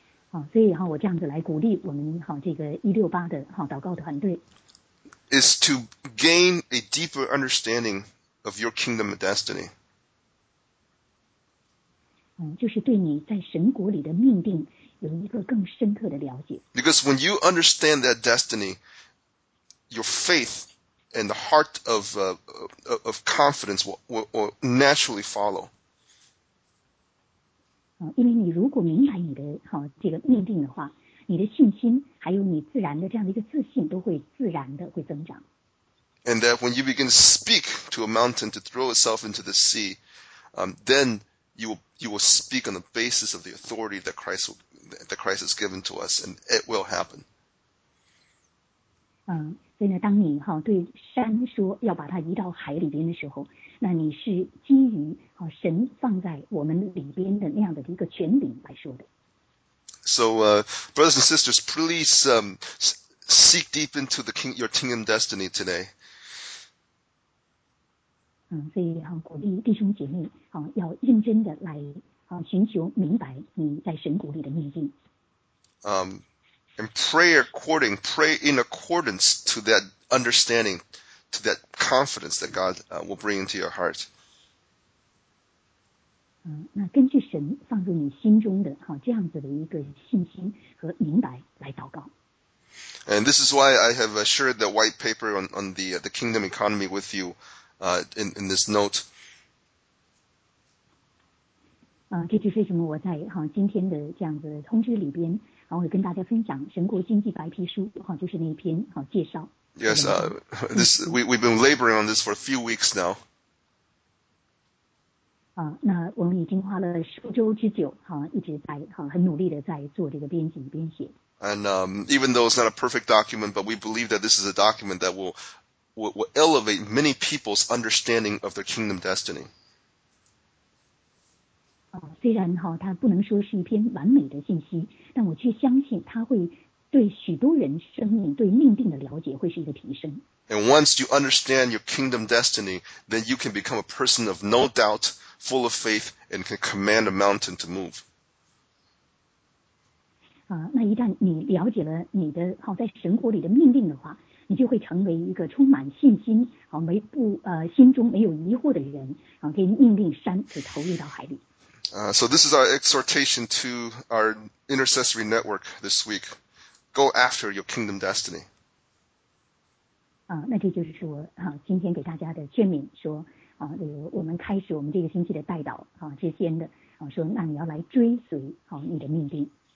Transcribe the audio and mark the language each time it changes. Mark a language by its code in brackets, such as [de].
[zh] 好，所以我这样子来鼓励我们这个168的祷告团队。 [en] Is to gain a deeper understanding. Of your kingdom and destiny. [zh] 就是对你在神国里的命定有一个更深刻的了解。 [en] Because when you understand that destiny, your faith and the heart of confidence will naturally follow. [zh] 因为你如果明白你的这个命定的话，你的信心还有你自然的这样的一个自信都会自然的会增长。 [en] And that when you begin to speak to a mountain to throw itself into the sea, then you will speak on the basis of the authority that Christ has given to us, and it will happen. [zh] 所以呢，当你对山说要把它移到海里边的时候，那你是基于神放在我们里边的那样的一个权柄来说的。 [en] So, brothers and sisters, please seek deep into your kingdom destiny today. [zh] 所以鼓励弟兄姐妹要认真的来寻求明白你在神国里的命定。 [en] And pray in accordance to that understanding, to that confidence that God will bring into your heart. [zh] 那根据神放入你心中的这样子的一个信心和明白来祷告。 [en] And this is why I have shared the white paper on the kingdom economy with you. In this note. [zh] 这就是为什么我在今天的这样子通知里边然后我跟大家分享神国经济白皮书，好，就是那一篇，好，介绍。 [en] Yes, this we've been laboring on this for a few weeks now. [zh] 啊，那我们已经花了数周之久，好，一直在好很努力的在做这个编辑编写。 [en] And even though it's not a perfect document, but we believe that this is a document that will elevate many people's understanding of their kingdom destiny. [zh] 虽然哈，它不能说是一篇完美的信息，但我却相信它会对许多人生命对命定的了解会是一个提升。 [en] And once you understand your kingdom destiny, then you can become a person of no doubt, full of faith, and can command a mountain to move. [zh] 那一旦你了解了你的好在神国里的命定的话，你就会成为一个充满信心，好没不心中没有疑惑的人，好可以命令山可投入到海里。 [en] So this is our exhortation to our intercessory network this week. Go after your kingdom destiny. [zh] 那这就是说今天给大家的劝勉，说我们开始我们这个星期的代祷之间的说那你要来追随你的命定。